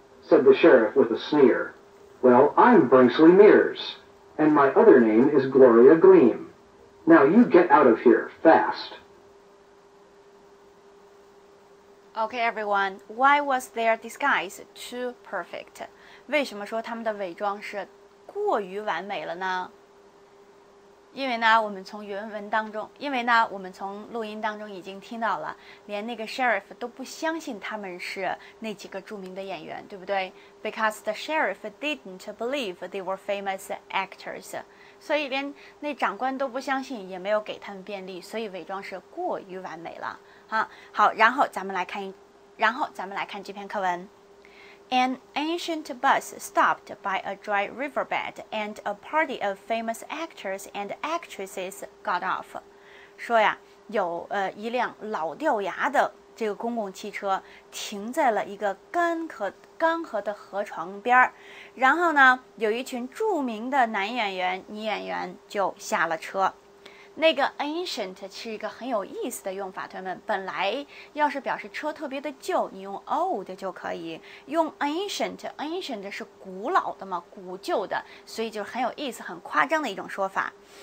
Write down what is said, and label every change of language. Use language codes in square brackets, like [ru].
[en] Said the sheriff with a sneer. Well, I'm Brinksley Mears, and my other name is Gloria Gleam. Now you get out of here, fast. Okay, everyone, why was their disguise too perfect? [zh] 为什么说他们的伪装是过于完美了呢？因为呢，我们从原文当中，因为呢，我们从录音当中已经听到了，连那个 sheriff 都不相信他们是那几个著名的演员，对不对？ [en] Because the sheriff didn't believe they were famous actors. [zh] 所以连那长官都不相信，也没有给他们便利，所以伪装是过于完美了。啊，好，然后咱们来看这篇课文。 [en] An ancient bus stopped by a dry riverbed, and a party of famous actors and actresses got off. [zh] 说呀，有一辆老掉牙的这个公共汽车停在了一个干涸的河床边，然后呢，有一群著名的男演员、女演员就下了车。那个 ancient 是一个很有意思的用法，同学们，本来要是表示车特别的旧，你用 old 就可以，用 ancient 是古老的嘛，古旧的，所以就很有意思，很夸张的一种说法。